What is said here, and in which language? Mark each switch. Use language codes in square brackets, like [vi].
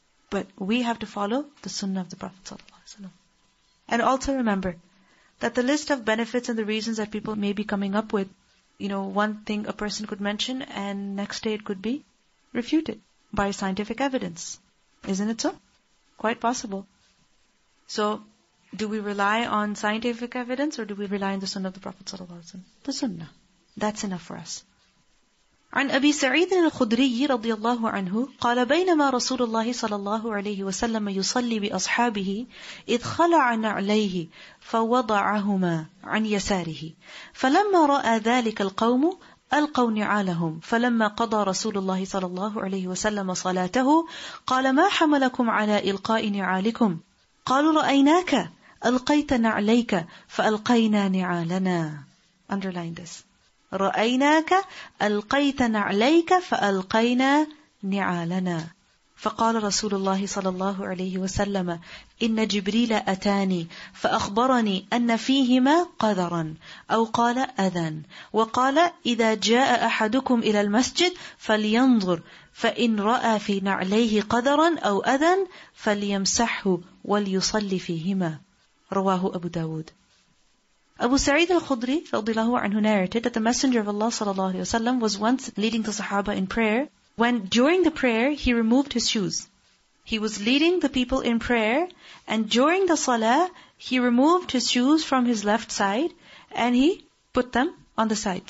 [en] But we have to follow the sunnah of the Prophet ﷺ. And also remember that the list of benefits and the reasons that people may be coming up with, you know, one thing a person could mention and next day it could be refuted by scientific evidence. Isn't it so? Quite possible. So, do we rely on scientific evidence or do we rely on the Sunnah of the Prophet ﷺ? The Sunnah. That's enough for us. [ar] عن أبي سعيد الخدري رضي الله عنه قال بينما رسول الله صلى الله عليه وسلم يصلي بأصحابه إذ خلع نعليه فوضعهما عن يساره فلما رأى ذلك القوم ألقوا نعالهم فلما قضى رسول الله صلى الله عليه وسلم صلاته قال ما حملكم على إلقاء نعالكم قالوا رأيناك ألقيت نعليك فألقينا نعالنا [en] underline this [ar] رأيناك ألقيت نعليك فألقينا نعالنا فقال رسول الله صلى الله عليه وسلم إن جبريل أتاني فأخبرني أن فيهما قذرا أو قال أذى وقال إذا جاء أحدكم إلى المسجد فلينظر فإن رأى في نعليه قذرا أو أذى فليمسحه وليصلي فيهما رواه أبو داود. [en] Abu Sa'id al-Khudri radiyallahu anhu narrated that the Messenger of Allah sallallahu alayhi wa sallam was once leading the Sahaba in prayer when during the prayer he removed his shoes. He was leading the people in prayer and during the salah he removed his shoes from his left side and he put them on the side.